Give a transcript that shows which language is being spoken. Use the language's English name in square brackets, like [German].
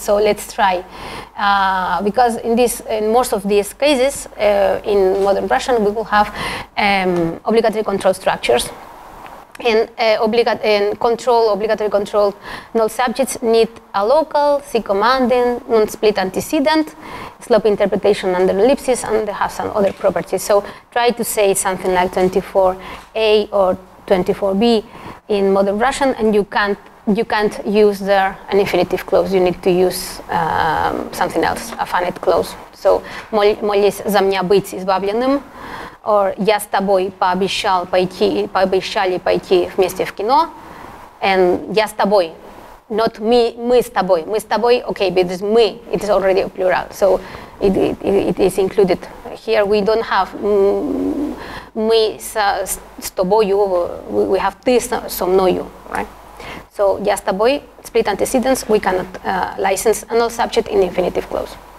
[English] So let's try, because in most of these cases in modern Russian we will have obligatory control structures, and obligatory control null subjects need a local C commanding non-split antecedent, slope interpretation under ellipses, and they have some other properties. So try to say something like 24A or 24B in modern Russian, and you can't use there an infinitive clause. You need to use something else, a finite clause. [Russian] So молись за меня быть избавленным, or я с тобой пообещали пойти вместе в кино, and я с тобой, [English] not me, [Russian] мы с тобой. [English] Okay, but it's мы, it is already a plural, so it is included. Here we don't have [Russian] мы с тобою, [English] we have [Russian] ты со мною, [English] right? So [Russian] я с тобой, [English] split antecedents, we cannot license a null subject in infinitive clause.